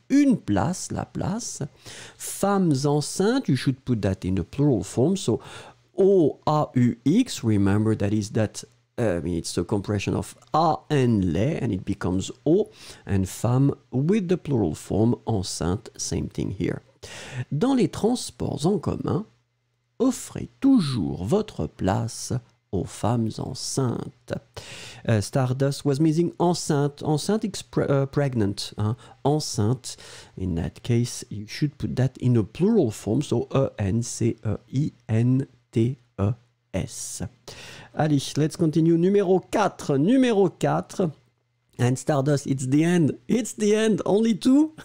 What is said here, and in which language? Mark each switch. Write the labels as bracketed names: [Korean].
[French] Une place, la place. [English] Femmes enceintes, you should put that in the plural form, so O-A-U-X, remember that is that, it's the compression of A and LE, and it becomes O, and femme with the plural form, enceinte, same thing here. [French] Dans les transports en commun, offrez toujours votre place aux femmes enceintes. [English] Stardust was missing enceinte, enceinte pregnant, hein? Enceinte, in that case, you should put that in a plural form, so E-N-C-E-I-N-T. T-E-S. Allez, let's continue. Numéro 4. Numéro 4. And Stardust, it's the end. It's the end. Only two.